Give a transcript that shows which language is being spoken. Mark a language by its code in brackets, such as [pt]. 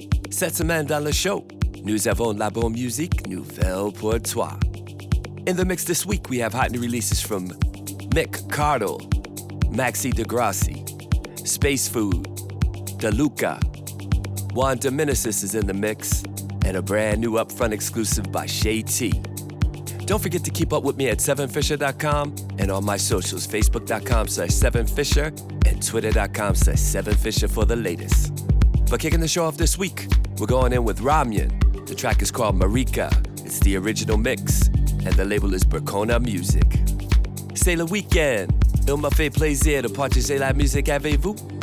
[fr] Cette semaine dans le show, nous avons la bonne musique nouvelle pour toi. [en] In the mix this week, we have hot new releases from Mick Cardle, Maxi Degrassi, Space Food, DeLuca, Juan Dominicis is in the mix, and a brand new upfront exclusive by Shay T. Don't forget to keep up with me at 7fisher.com and on my socials, facebook.com/7fisher and twitter.com/7fisher for the latest. But kicking the show off this week, we're going in with Ramyun. The track is called Marika. It's the original mix, and the label is Bercona Music. [fr] C'est le week-end. Il me fait plaisir de partager la musique avec vous.